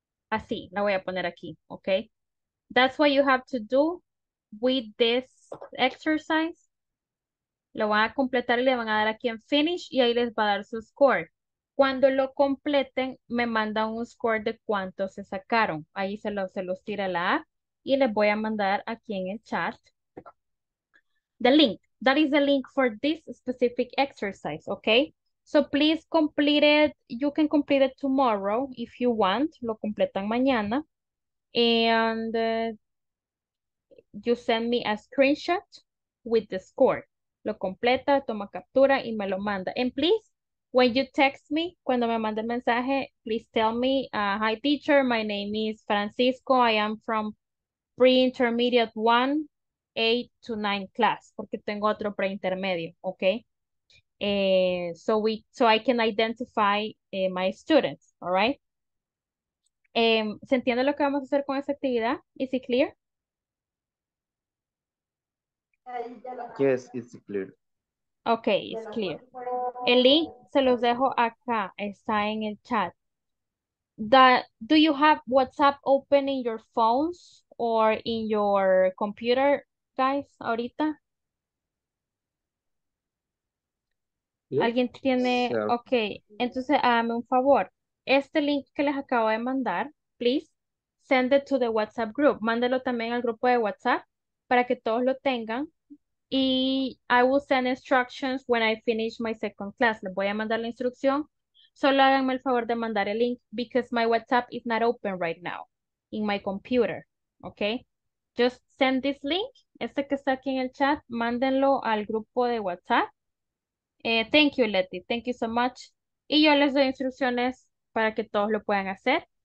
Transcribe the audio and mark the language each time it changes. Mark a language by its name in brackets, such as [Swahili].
[Spanish] Así, la voy a poner aquí, okay? [English] That's what you have to do with this exercise. [Spanish] Lo van a completar y le van a dar aquí en finish y ahí les va a dar su score. Cuando lo completen, me mandan un score de cuántos se sacaron. Ahí se los tira la A y les voy a mandar aquí en el chat [English] the link. That is the link for this specific exercise, okay? So please complete it. You can complete it tomorrow if you want. [Spanish] Lo completan mañana. [English] And you send me a screenshot with the score. [Spanish] Lo completa, toma captura y me lo manda. [English] And please, when you text me, [Spanish] cuando me manda el mensaje, [English] please tell me, hi teacher, my name is Francisco. I am from pre-intermediate 1, 8 to 9 class. [Spanish] Porque tengo otro pre-intermedio, [English] okay? So I can identify my students, all right? [Spanish] ¿Se entiende lo que vamos a hacer con esa actividad? [English] Is it clear? Yes, it's clear. Okay, it's clear. [Spanish] El link se los dejo acá, está en el chat. [English] Do you have WhatsApp open in your phones or in your computer, guys, ahorita? [Spanish] Yes. ¿Alguien tiene? So. Okay, entonces, hágame un favor. Este link que les acabo de mandar, [English] please, send it to the WhatsApp group. [Spanish] Mándelo también al grupo de WhatsApp para que todos lo tengan. [English] Y I will send instructions when I finish my second class. [Spanish] Les voy a mandar la instrucción. Solo háganme el favor de mandar el link [English] because my WhatsApp is not open right now in my computer. [Spanish] Okay? [English] Just send this link. [Spanish] Este que está aquí en el chat, mándenlo al grupo de WhatsApp. [English] Thank you, Leti. Thank you so much. [Spanish] Y yo les doy instrucciones para que todos lo puedan hacer.